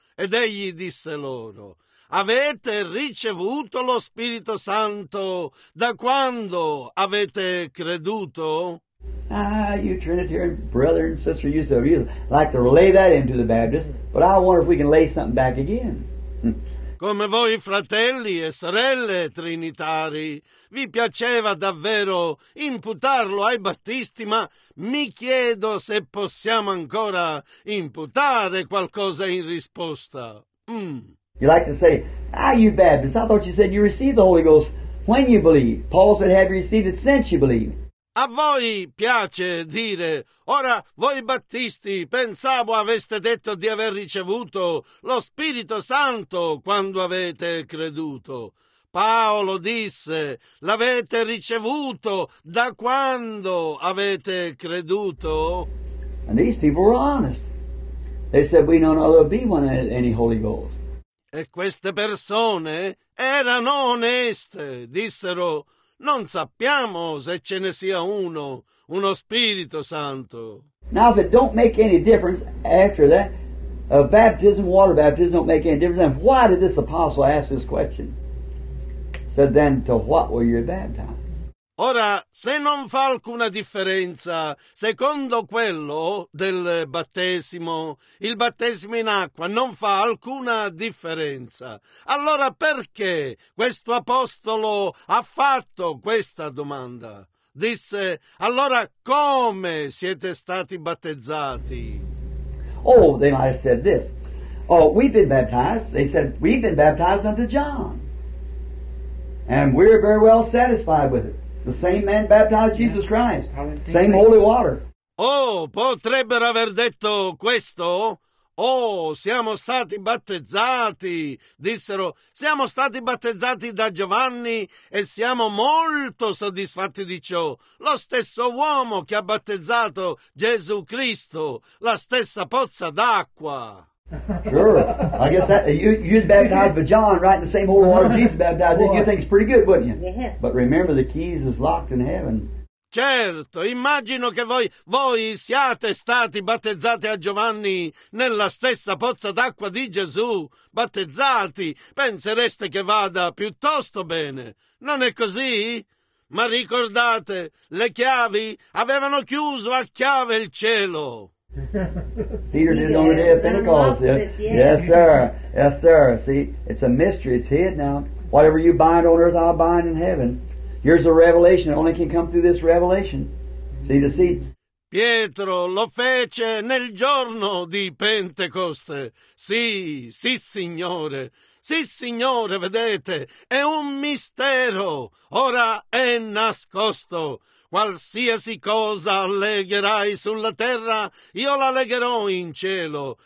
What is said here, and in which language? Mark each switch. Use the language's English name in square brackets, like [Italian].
[Italian] Ed egli disse loro, avete ricevuto lo Spirito Santo da quando avete creduto? [English] You Trinitarian brother and sister, you so like to lay that into the Baptist, but I wonder if we can lay something back again. [Italian] Come voi, fratelli e sorelle trinitari, vi piaceva davvero imputarlo ai battisti, ma mi chiedo se possiamo ancora imputare qualcosa in risposta. [English] You like to say, you Baptist, I thought you said you received the Holy Ghost when you believe. Paul said, have you received it since you believe? [Italian] A voi piace dire, ora voi battisti, pensavo aveste detto di aver ricevuto lo Spirito Santo quando avete creduto. Paolo disse, l'avete ricevuto da quando avete creduto? [English] And these people were honest. They said, we don't know there'll be one any Holy Ghost. [Italian] E queste persone erano oneste, dissero, non sappiamo se ce ne sia uno Spirito Santo. [English] Now if it don't make any difference after that, baptism, water baptism don't make any difference, then why did this apostle ask this question? Said, then to what were you baptized? [Italian] Ora, se non fa alcuna differenza, secondo quello del battesimo, il battesimo in acqua non fa alcuna differenza. Allora perché questo apostolo ha fatto questa domanda? Disse, allora come siete stati battezzati? [English] Oh, they might have said this. Oh, we've been baptized. They said, we've been baptized unto John. And we're very well satisfied with it. The same man baptized Jesus Christ. Same holy water. [Italian] Oh, potrebbero aver detto questo? Oh, siamo stati battezzati. Dissero, siamo stati battezzati da Giovanni e siamo molto soddisfatti di ciò. Lo stesso uomo che ha battezzato Gesù Cristo, la stessa pozza d'acqua. [English] Sure. I guess that you baptized by John, right? In the same holy water Jesus baptized in. You think it's pretty good, wouldn't you? Yeah. But remember, the keys is locked in heaven. [Italian] Certo, immagino che voi siate stati battezzati a Giovanni nella stessa pozza d'acqua di Gesù. Battezzati, pensereste che vada piuttosto bene. Non è così? Ma ricordate, le chiavi avevano chiuso a chiave il cielo. [English] Peter did it on the day of Pentecost. Yeah. Yes, sir. Yes, sir. See, it's a mystery. It's hid now. Whatever you bind on earth, I'll bind in heaven. Here's a revelation. It only can come through this revelation. See the seed. [Italian] Pietro lo fece nel giorno di Pentecoste. Sì, sì, Signore. Sì, Signore, vedete, è un mistero. Ora è nascosto. Qualsiasi cosa legherai sulla terra, io la legherò in cielo.